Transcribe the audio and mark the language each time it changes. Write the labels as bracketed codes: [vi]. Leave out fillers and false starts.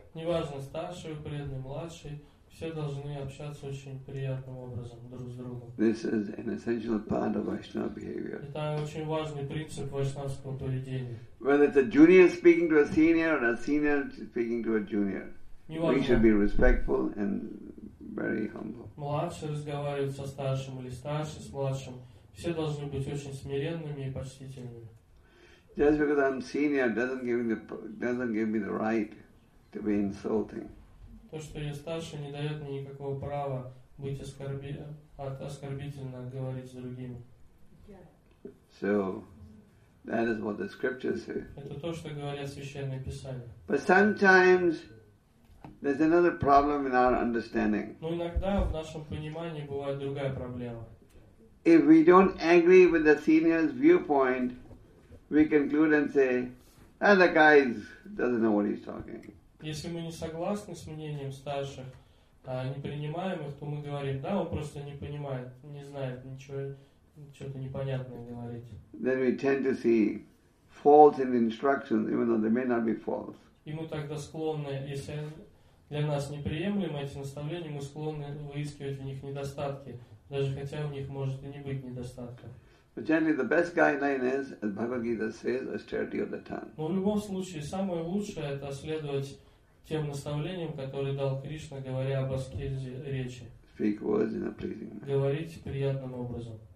[ru] Неважно, старший, преданный, младший, все должны общаться очень приятным образом друг с другом. [en] This is an essential part of Vaishnava behavior. [ru] Это очень важный принцип вайшнавского поведения. [en] Whether it's a junior speaking to a senior or a senior speaking to a junior, [ru] неважно. [en] We should be respectful and very humble. [ru] Младший разговаривает со старшим или старший с младшим. Все должны быть очень смиренными и почтительными. [en] Just because I'm senior doesn't give me the right to be insulting. [ru] То, что я старше, не дает мне никакого права быть оскорбительно говорить с другими. [en] So that is what the scriptures say. [ru] Это то, что говорят священные писания. [en] But sometimes there's another problem in our understanding. [ru] Но иногда в нашем понимании бывает другая проблема. [en] If we don't agree with the senior's viewpoint, we conclude and say, "Ah, the guy doesn't know what he's talking." [ru] Если мы не согласны с мнением старших, А непринимаемых, то мы говорим, да, он просто не понимает, не знает ничего, что-то непонятное говорить. [en] Then we tend to see faults in instructions, even though they may not be false. [ru] И мы тогда склонны, если для нас неприемлемы эти наставления, мы склонны выискивать в них недостатки, даже хотя в них может и не быть недостатка. [en] But generally, the best guideline is, as Bhagavad Gita says, austerity of the tongue. [ru] Но в любом случае самое лучшее это следовать тем наставлениям, которые дал Кришна, говоря об аскезе речи. [en] Speak words in a pleasing manner. [ru] Говорить приятным образом.